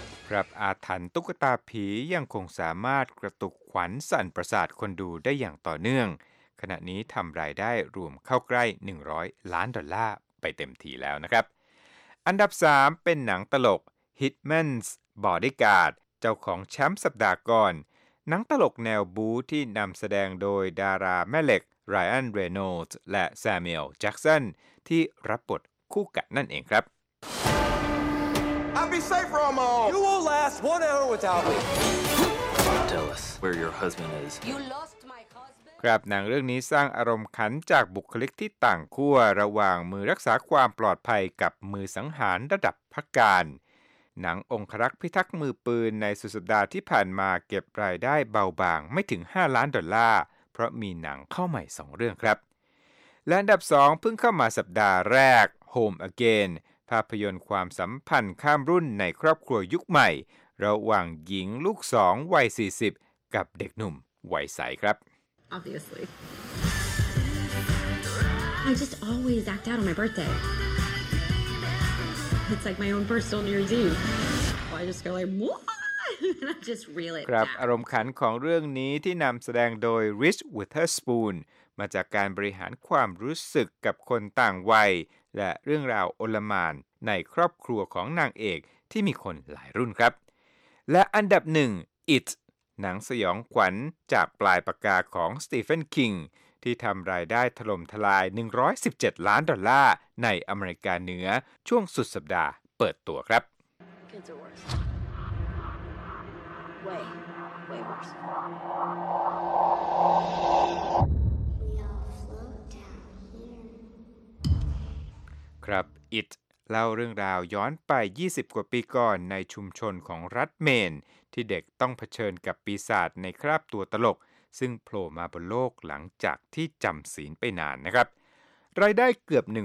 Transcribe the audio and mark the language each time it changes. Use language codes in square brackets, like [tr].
[th] ครับอาถรรพ์ตุ๊กตาผียังคงสามารถกระตุกขวัญสั่นประสาทคนดูได้อย่างต่อเนื่องขณะนี้ทำรายได้รวมเข้าใกล้100ล้านดอลลาร์ไปเต็มทีแล้วนะครับอันดับ3เป็นหนังตลก Hitman's Bodyguard เจ้าของแชมป์สัปดาห์ก่อนหนังตลกแนวบู๊ที่นำแสดงโดยดาราแม่เหล็ก Ryan Reynolds และ Samuel Jackson ที่รับบทคู่กันนั่นเองครับ [en] I'll be safe, Romo. You won't last 1 hour without me. Tell us where your husband is. You lost my husband. [th] ครับหนังเรื่องนี้สร้างอารมณ์ขันจากบุคลิกที่ต่างขั้วระหว่างมือรักษาความปลอดภัยกับมือสังหารระดับพระการหนังองครักษ์พิทักษ์มือปืนในสุดสัปดาห์ที่ผ่านมาเก็บรายได้เบาบางไม่ถึง5ล้านดอลลาร์เพราะมีหนังเข้าใหม่2เรื่องครับและอันดับ2เพิ่งเข้ามาสัปดาห์แรก Home Againภาพยนตร์ความสัมพันธ์ข้ามรุ่นในครอบครัวยุคใหม่ระหว่างหญิงลูกสองวัย40กับเด็กหนุ่มวัยใสครับ [en] Obviously I just always act out on my birthday It's like my own personal New Year's Eve I just go like whoa and I just reel it [th] ครับอารมณ์ขันของเรื่องนี้ที่นำแสดงโดย Reese Witherspoon มาจากการบริหารความรู้สึกกับคนต่างวัยและเรื่องราวโอลหม่านในครอบครัวของนางเอกที่มีคนหลายรุ่นครับและอันดับ1 It หนังสยองขวัญจากปลายปากกาของสตีเฟนคิงที่ทำรายได้ถล่มทลาย117ล้านดอลลาร์ในอเมริกาเหนือช่วงสุดสัปดาห์เปิดตัวครับ [en] Kids are worse. Way worse. [th] ครับ It เล่าเรื่องราวย้อนไป20กว่าปีก่อนในชุมชนของรัฐเมนที่เด็กต้องเผชิญกับปีศาจในคราบตัวตลกซึ่งโผล่มาบนโลกหลังจากที่จำศีลไปนานนะครับรายได้เกือบ